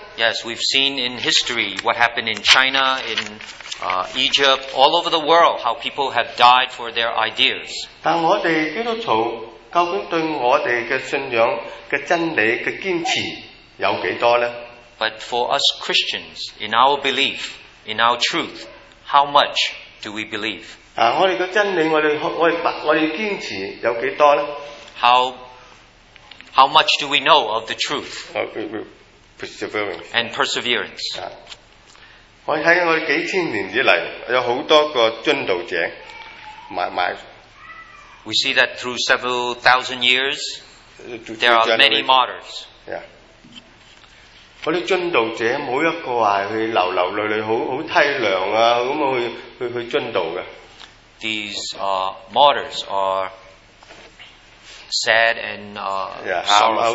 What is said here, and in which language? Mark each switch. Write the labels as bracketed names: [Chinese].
[English] Yes, we've seen in history what happened in China, in Egypt, all over the world, how people have died for their ideas. [Chinese] 但我哋基督徒究竟对我哋嘅信仰嘅真理嘅坚持有几多咧 [English] ？But for us Christians, in our belief, in our truth, how much do we believe? 啊！ [Chinese] 我哋嘅真理，我哋堅持有幾多咧 [English] ？How much do we know of the truth？ Perseverance and perseverance。啊！ [Chinese] 我睇我哋幾千年以嚟有好多個殉道者，買。 [English] We see that through several thousand years, there are many martyrs. [Chinese] Yeah. 嗰啲殉道者冇一个话去流流泪泪，好好凄凉啊，咁啊去殉道嘅。 [English] These martyrs are sad and sorrowful.